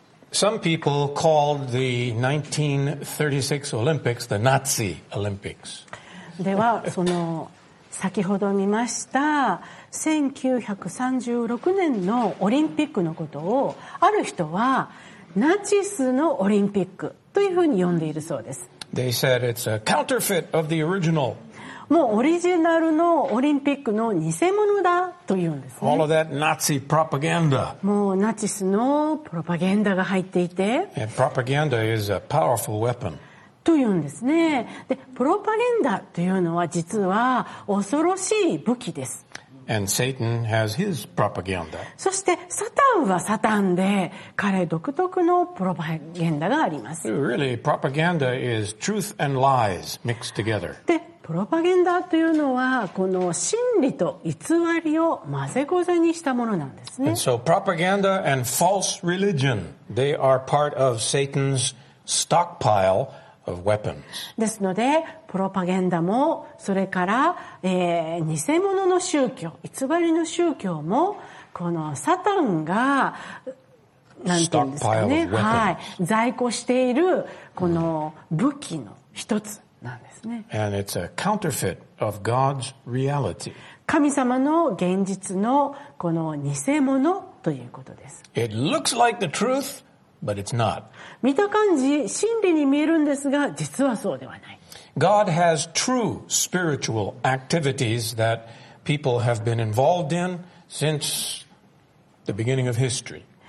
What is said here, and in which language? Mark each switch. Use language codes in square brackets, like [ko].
[en] Some people called the 1936 Olympics the Nazi Olympics. [ja] では、その先ほど見ました1936年のオリンピックのことをある人はナチスのオリンピックというふうに呼んでいるそうです。 [en] They said it's a counterfeit of the original. [ja] もうオリジナルのオリンピックの偽物だというんですね。 [en] All of that Nazi propaganda. [ja] もうナチスのプロパガンダが入っていて。 [en] And propaganda is a powerful weapon. [ja] というんですね。で、プロパガンダというのは実は恐ろしい武器です。 [en] And Satan has his propaganda. [ja] そしてサタンはサタンで、彼独特のプロパガンダがあります。 [en] Really, propaganda is truth and lies mixed together. [ja] で、プロパガンダというのはこの真理と偽りを混ぜこぜにしたものなんですね。 [en] And so propaganda and false religion, they are part of Satan's stockpile. Of weapons. [ja] ですので、プロパガンダも、それから、偽物の宗教、偽りの宗教も、このサタンが、なんていうんですかね、はい、在庫しているこの武器の一つなんですね。 [en] And it's a counterfeit of God's reality. [ja] 神様の現実のこの偽物ということです。 [en] It looks like the truth. But it's not. [ja] 見た感じ真理に見えるんですが実はそうではない。 [en] God has true spiritual activities that people have been involved in since the beginning of history.